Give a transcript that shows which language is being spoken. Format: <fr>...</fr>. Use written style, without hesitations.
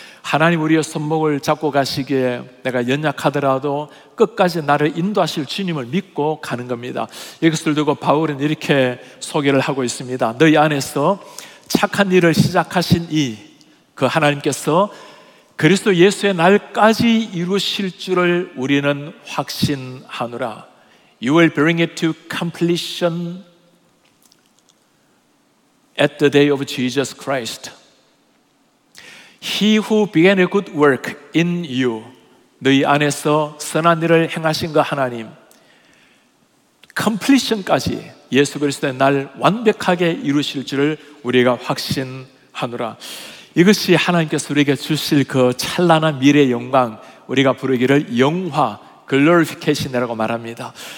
<ko>하나님 우리의 손목을 잡고 가시기에 내가 연약하더라도 끝까지 나를 인도하실 주님을 믿고 가는 겁니다. 이것을 두고 바울은 이렇게 소개를 하고 있습니다. 너희 안에서 착한 일을 시작하신 이 그 하나님께서 그리스도 예수의 날까지 이루실 줄을 우리는 확신하노라.</ko> <en>You will bring it to completion at the day of Jesus Christ. He who began a good work in you,</en> <ko>너희 안에서 선한 일을 행하신 그 하나님, completion까지 예수 그리스도의 날 완벽하게 이루실 줄을 우리가 확신하노라. 이것이 하나님께서 우리에게 주실 그 찬란한 미래의 영광, 우리가 부르기를 영화, glorification이라고 말합니다.</ko>